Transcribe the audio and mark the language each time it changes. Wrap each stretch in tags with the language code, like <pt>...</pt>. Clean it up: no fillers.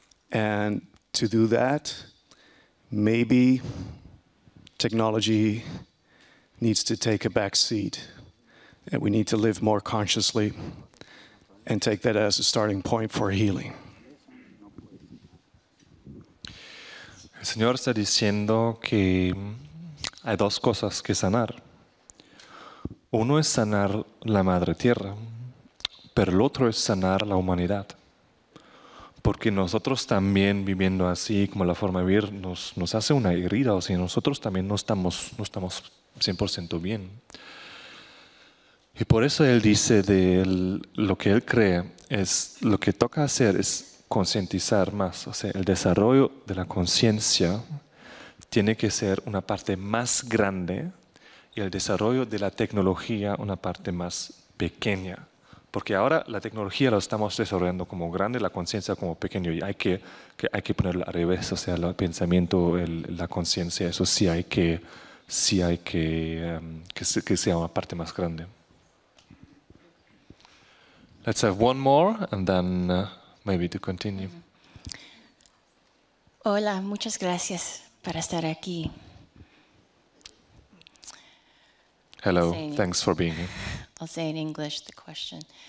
<en>And to do that, maybe technology needs to take a back seat, and we need to live more consciously and take that as a starting point for healing.</en> <es>El Señor está diciendo que hay dos cosas que sanar. Uno es sanar la madre tierra, pero el otro es sanar la humanidad. Porque nosotros también viviendo así, como la forma de vivir, nos hace una herida. O sea, nosotros también no estamos 100% bien. Y por eso Él dice de lo que Él cree, es lo que toca hacer es concientizar más. O sea, el desarrollo de la conciencia tiene que ser una parte más grande y el desarrollo de la tecnología una parte más pequeña. Porque ahora la tecnología la estamos desarrollando como grande, la conciencia como pequeño, y hay que ponerlo al revés. O sea, el pensamiento, la conciencia, eso sí hay que sea una parte más grande.</es> <en>Let's have one more and then maybe to continue.</en> <es>Hola, muchas gracias por estar aquí.</es> <en>Hello, thanks for being here. I'll say in English the question.</en>